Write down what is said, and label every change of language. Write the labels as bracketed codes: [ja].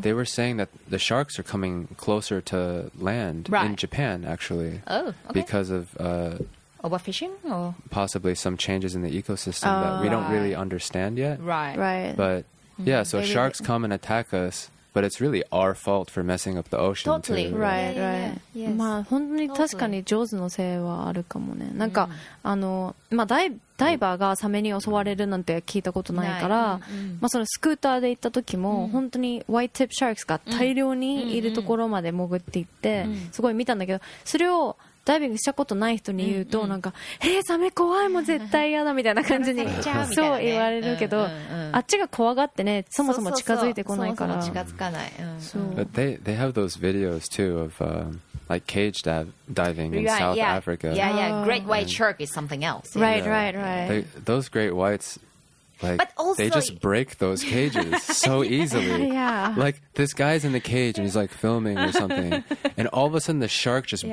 [en] They were saying that the sharks are coming closer to land in Japan, actually. Oh, okay. Because of... overfishing? Or? Possibly some changes in the ecosystem that we don't really understand yet. Right. But, yeah, so sharks come and attack us... But it's really our fault for messing up the ocean. Totally. Too, right? Right. [ja] まあ本当に確かに上手のせいはあるかもね。なんか、まあダイバーがサメに襲われるなんて聞いたことないから、まあそのスクーターで行った時も、本当にワイトティップシャークスが大量にいるところまで潜って行って、すごい見たんだけど、それをダイビングしたことない人に言うと、うんうん、なんか、サメ怖いも絶対嫌だみたいな感じに、うん、そう言われるけど、うんうんうん、あっちが怖がってね、そもそも近づいてこないから、そもそも近づかない。うん、そう。 [en] But they have those videos too of、like cage diving in yeah, South yeah. Africa. Yeah, yeah. Great white shark is something else. Yeah. Right, right, right. They, those great whites, like, but also, they just break those cages so easily. Yeah. Like, this guy's in the cage and he's like filming or something. And all of a sudden the shark just yeah.